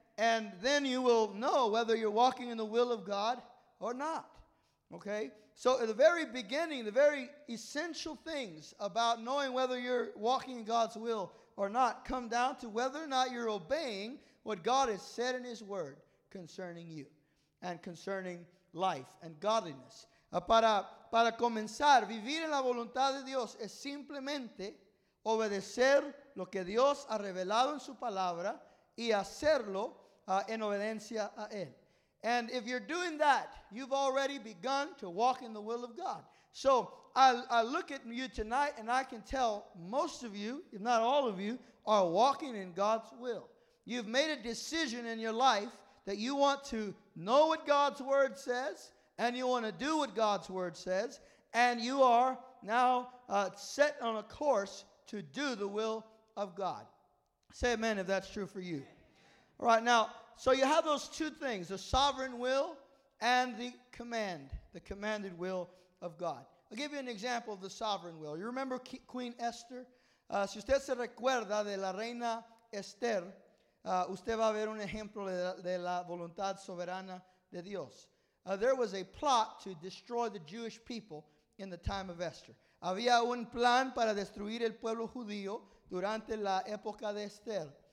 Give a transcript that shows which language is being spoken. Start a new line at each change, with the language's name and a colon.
English: And then you will know whether you're walking in the will of God or not. Okay? So at the very beginning, the very essential things about knowing whether you're walking in God's will or not come down to whether or not you're obeying what God has said in his word concerning you and concerning life and godliness.
Spanish: Para comenzar, vivir en la voluntad de Dios es simplemente obedecer lo que Dios ha revelado en su palabra y hacerlo en obediencia a él.
English: And if you're doing that, you've already begun to walk in the will of God. So I look at you tonight and I can tell most of you, if not all of you, are walking in God's will. You've made a decision in your life that you want to know what God's word says and you want to do what God's word says, and you are now set on a course to do the will of God. Say amen if that's true for you. All right, now, so you have those two things, the sovereign will and the commanded will of God. I'll give you an example of the sovereign will. You remember Queen Esther?
Spanish: Si usted se recuerda de la reina Esther, usted va a ver un ejemplo de la voluntad soberana de Dios.
English: There was a plot to destroy the Jewish people in the time of Esther.
Spanish: Había un plan para destruir el pueblo judío durante la época de Esther.